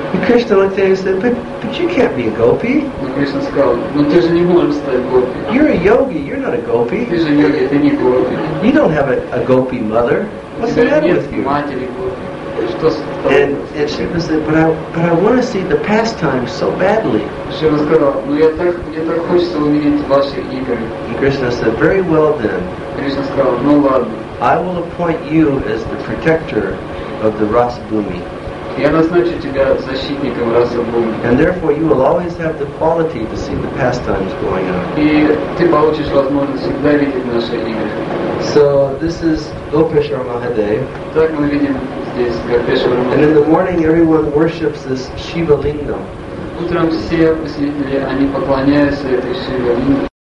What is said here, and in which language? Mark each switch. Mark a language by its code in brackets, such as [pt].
[en] Кришна looked at him and said, but you can't be a gopi. [ru] Ну, Кришна сказал, ну ты же не можешь стать гопи. [en] You're a yogi, you're not a gopi. [ru] Ты же йоги, ты не гопи. [en] You don't have a gopi mother. What's the matter with you? [ru] Матери гопи. [en] And Shiva said, but I want to see the pastime so badly. [ru] Shiva сказал, ну я так хочется увидеть ваши игры. [en] And Krishna said, very well then. [ru] Krishna сказал, ну ладно. [en] I will appoint you as the protector of the rasa bhumi. [ru] Я назначу тебя защитником раса бхуми. [en] And therefore you will always have the quality to see the pastimes going on. [ru] И ты получишь возможность всегда видеть наши игры. [en] So this is Gopesha Mahadev. [ru] Так мы видим. [en] And in the morning, everyone worships this Shiva Lingam. [ru] Утром все посетители они поклоняются этой Шива Лингам.